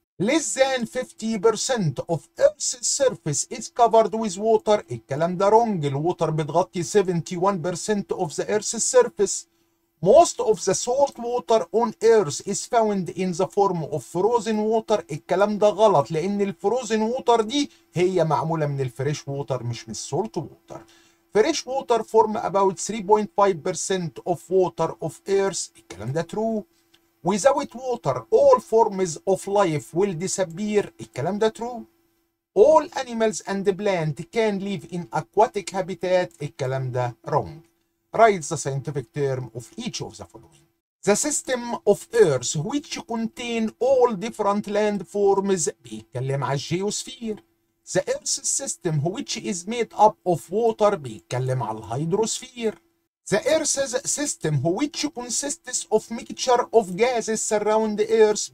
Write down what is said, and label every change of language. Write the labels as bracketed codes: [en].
[en] Less than 50% of Earth's surface is covered with water. [ar] الكلام ده رونج، الووتر بتغطي 71% [en] of the Earth's surface. Most of the salt water on Earth is found in the form of frozen water. [ar] الكلام ده غلط، لأن الفروزن ووتر دي هي معمولة من الفريش ووتر مش من السولت ووتر. [en] Fresh water form about 3.5% of water of Earth. [ar] الكلام ده ترو. [en] Without water, all forms of life will disappear. [ar] الكلام ده [en] true. All animals and plants can live in aquatic habitat. [ar] الكلام ده wrong. [en] Write the scientific term of each of the following. The system of Earth which contain all different landforms. [ar] بيتكلم على الجيوسفير. [en] The Earth's system which is made up of water. [ar] بيتكلم على الهيدروسفير. [en] The Earth's system which consists of mixture of gases surround the Earth.